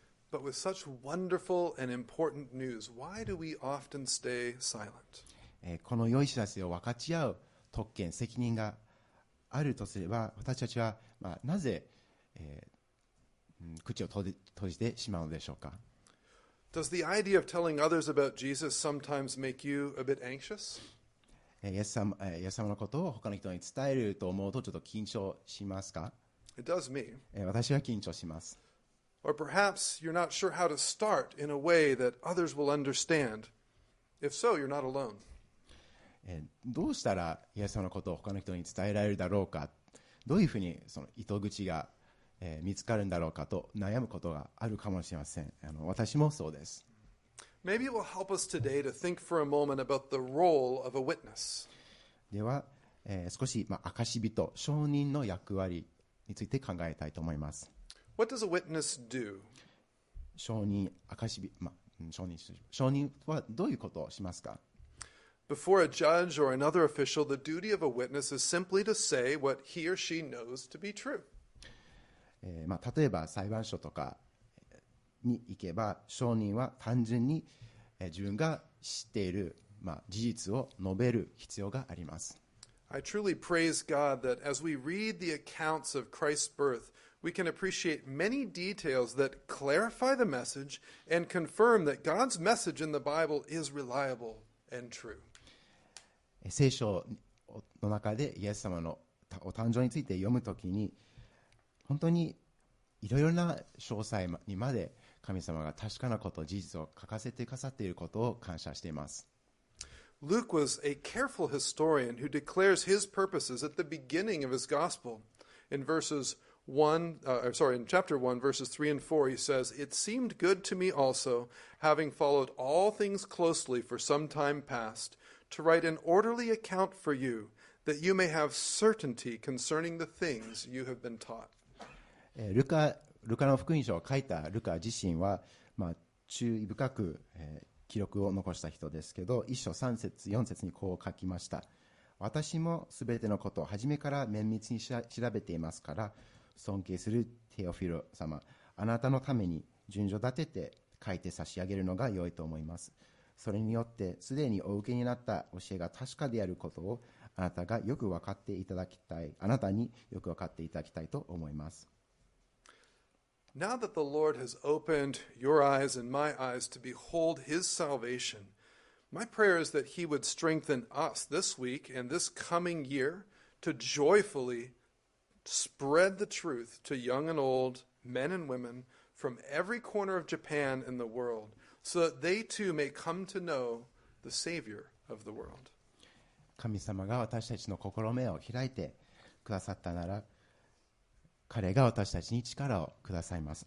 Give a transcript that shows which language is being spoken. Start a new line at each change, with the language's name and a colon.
English: But with such wonderful and important news, why do we often stay silent?
Japanese: この良い知らせを分かち合う特権、責任があるとすれば、私たちは、まあ、なぜ、口を閉じてしまうのでしょうか。
English: Does the idea of telling others about Jesus sometimes make you a bit anxious?
Japanese: イエス様のことを他の人に伝えると思うとちょっと緊張しますか？
English: It does me.
Japanese: 私は緊張します。
English: Or perhaps you're not sure how to start in a way that others will understand. If so, you're not alone.
Japanese: どうしたらイエス様のことを他の人に伝えられるだろうか、どういうふうにその糸口が見つかるんだろうかと悩むことがあるかもしれません。私もそうです。
English: Maybe it will help us today to think for a moment about the role of a witness.
Japanese: では、少し、まあ、証人、証人の役割について考えたいと思います。
English: What does a witness do?
Japanese: 証人、証人、まあ、証人はどういうことをしますか？
English: Before a judge or another official, the duty of a witness is simply to say what he or she knows to be true.
Japanese: 例えば裁判所とかに行けば、証人は単純に自分が知っている、まあ、事実を述べる必要があります。
English: I truly praise God that as we read the accounts of Christ's birth, we can appreciate many details that clarify the message and confirm that God's message in the Bible is reliable and true.
Japanese: 聖書の中でイエス様のお誕生について読むときに、本当にいろいろな詳細にまで神様が確かなこと、事実を書かせてくださっていることを感謝しています。
English: Luke was a careful historian who declares his purposes at the beginning of his gospel. In verses 1, sorry, in chapter 1, verses 3 and 4, he says, "It seemed good to me also, having followed all things closely for some time past, to write an orderly account for you, that you may have certainty concerning the things you have been taught."
Japanese: ルカの福音書を書いたルカ自身は、注意深く、記録を残した人ですけど、1章3節4節にこう書きました。私もすべてのことを初めから綿密に調べていますから、尊敬するテオフィロ様、あなたのために順序立てて書いて差し上げるのが良いと思います。それによってすでにお受けになった教えが確かであることをあなたがよく分かっていただきたい、あなたによく分かっていただきたいと思います。
English: Now that the Lord has opened your eyes and my eyes to behold His salvation, my prayer is that He would strengthen us this week and this coming year to joyfully spread the truth to young and old, men and women from every corner of Japan and the world, so that they too may come to know the Savior of the world.
Japanese: 神様が私たちの心目を開いてくださったなら、彼が私たちに力をくださいます。